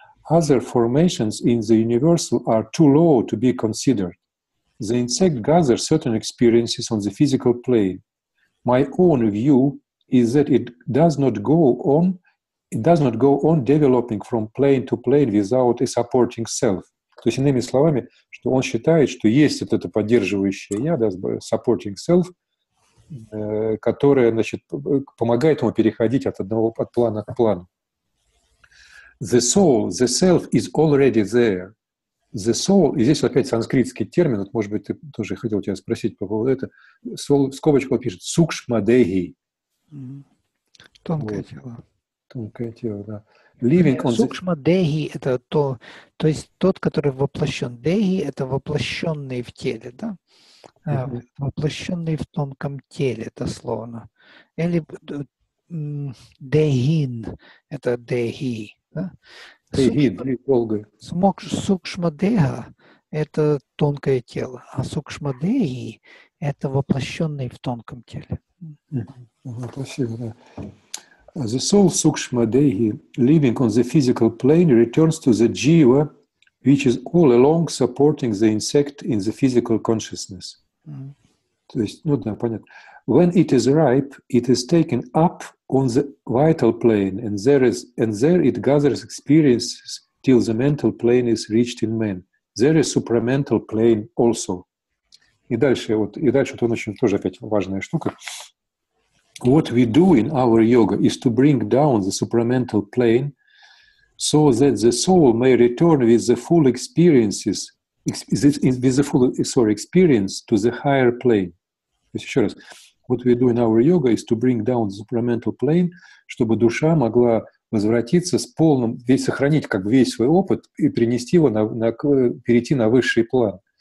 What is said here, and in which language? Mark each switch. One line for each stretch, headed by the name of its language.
English: Other formations in the universal are too low to be considered. The insect gathers certain experiences on the physical plane. My own view is that it does not go on developing from plane to plane without a supporting self.
Russian: То есть, иными словами, что он считает, что есть вот это поддерживающее я, да,
English: supporting self,
Russian: которое, значит, помогает ему переходить от одного от плана к плану.
English: The soul, the self is already there. The soul,
Russian: и здесь опять санскритский термин, вот, может быть, ты тоже хотел тебя спросить по поводу этого. Soul, в скобочку пишет, сукшмадеги. Тонкое вот. Тело. Тонкое тело, да. Сукшма деги – это то есть тот, который воплощен. Деги – это воплощенный в теле, да? Mm-hmm. Воплощенный в тонком теле, дословно. Или дегин – это деги, да? Дегин, долго. Сукшма дега – это тонкое тело, а сукшма деги – это воплощенный в тонком теле. Спасибо, да.
English: The soul sukshma dehi, living on the physical plane, returns to the jiva, which is all along supporting the insect in the physical consciousness.
Russian: Mm-hmm. То есть, ну да, понятно.
English: When it is ripe, it is taken up on the vital plane, and there it gathers experiences till the mental plane is reached in man. There is supramental plane also.
Russian: И дальше, вот он очень тоже опять важная штука.
English: What we do in our yoga is to bring down the supramental plane so that the soul may return with the full experience to the higher plane.
Russian: То есть еще раз.
English: What we do in our yoga is to bring down the supramental plane,
Russian: чтобы душа могла возвратиться с полным, весь, сохранить как весь свой опыт и принести его перейти на высший план.